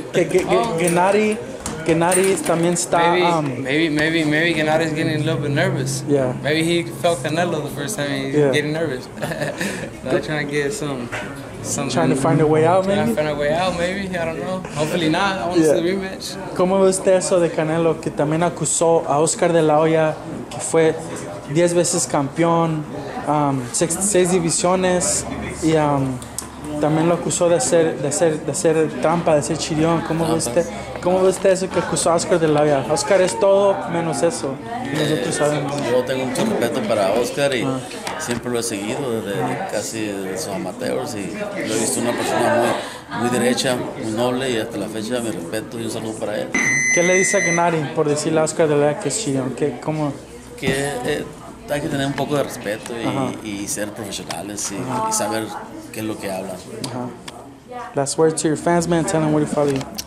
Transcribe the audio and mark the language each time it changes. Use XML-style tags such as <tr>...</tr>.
<es>Gennady Gennady también está.</es> <en>Maybe Gennady's getting a little bit nervous. Yeah. Maybe he felt Canelo the first time he's getting nervous. Not trying to get some. Trying to find a way out, maybe. Trying to find a way out, maybe. I don't know. Hopefully not. I want to see the rematch.</en> <es>¿Cómo ve usted eso de Canelo que también acusó a Oscar de la Hoya que fue 10 veces campeón, 6 divisiones y también lo acusó de ser trampa, de ser chirión? ¿Cómo ve usted eso que acusó a Oscar de la Hoya? Oscar es todo menos eso. Nosotros sabemos. Yo tengo mucho respeto para Oscar y siempre lo he seguido desde casi de sus amateurs y lo he visto una persona muy, muy derecha, muy noble y hasta la fecha mi respeto y un saludo para él. ¿Qué le dice a Gennady por decirle a Oscar de la Hoya que es chirión? ¿Qué, cómo? Que hay que tener un poco de respeto y ser profesionales y saber qué es lo que hablan.</es> <en>Last word to your fans, man. Tell them where to follow you.</en>